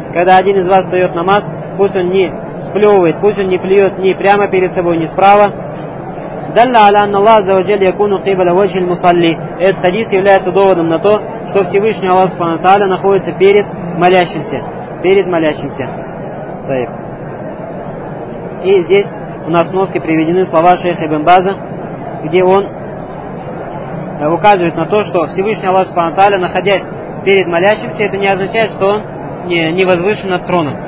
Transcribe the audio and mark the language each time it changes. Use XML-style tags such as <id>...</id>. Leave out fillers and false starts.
<ru>Когда один из вас встает намаз, пусть он не сплевывает, пусть он не плюет ни прямо перед собой, ни справа.</ru> <ar>دل على أن الله عز وجل يكون قبل وجه المصلي.</ar> <ru>Этот хадис является доводом на то, что Всевышний Аллах Субхану ва Тааля находится перед молящимся. Перед молящимся. И здесь у нас в носке приведены слова шейха Ибн База, где он указывает на то, что Всевышний Аллах Субхану Тааля, находясь перед молящимся, это не означает, что он не возвышен над троном.</ru>